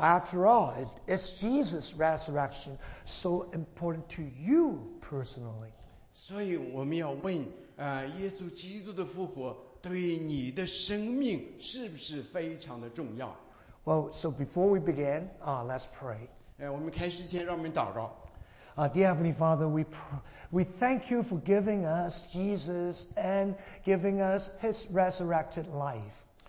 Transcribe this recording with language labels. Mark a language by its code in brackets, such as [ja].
[en] after all, is Jesus' resurrection so important to you personally? [zh] 所以我们要问，耶稣基督的复活对你的生命是不是非常的重要？ [en] Well, so before we begin, let's pray. [zh] 我们开始前，让我们祷告。 [en] Dear Heavenly Father, we thank you for giving us Jesus and giving us His resurrected life.